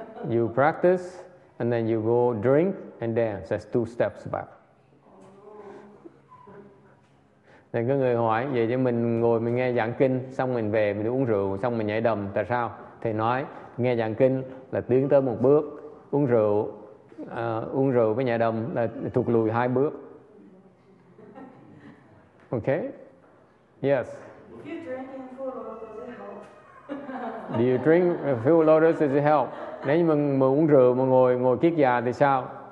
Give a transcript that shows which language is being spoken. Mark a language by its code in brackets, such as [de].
[en] You practice and then you go drink and dance. That's 2 steps back. [vi] Nên có người hỏi vậy chứ mình ngồi mình nghe giảng kinh xong mình về mình uống rượu xong mình nhảy đầm tại sao? Thầy nói nghe giảng kinh là tiến tới 1 bước, uống rượu với nhảy đầm là thụt lùi 2 bước. [en] Okay? Yes. Do you drink a few lotus as it help? [vi] Nếu như mà uống rượu mà ngồi kiết già thì sao?